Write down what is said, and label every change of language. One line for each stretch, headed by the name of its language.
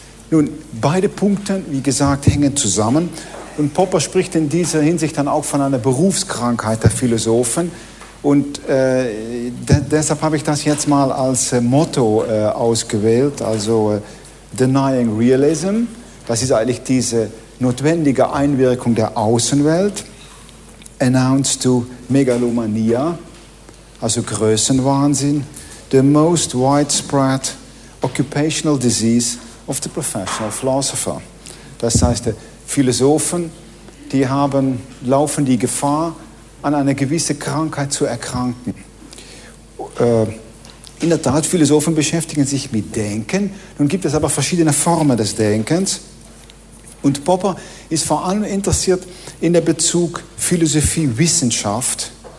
German: Nun, beide Punkte, wie gesagt, hängen zusammen. Und Popper spricht in dieser Hinsicht dann auch von einer Berufskrankheit der Philosophen. Und deshalb habe ich das jetzt mal als Motto ausgewählt, also Denying Realism. Das ist eigentlich diese notwendige Einwirkung der Außenwelt.
English: Announced to Megalomania,
German: also Größenwahnsinn,
English: the most widespread occupational disease of the professional philosopher.
German: Das heißt, Philosophen, die laufen die Gefahr, an eine gewisse Krankheit zu erkranken. In der Tat, Philosophen beschäftigen sich mit Denken. Nun gibt es aber verschiedene Formen des Denkens. Und Popper ist vor allem interessiert in der Bezug Philosophie-Wissenschaft.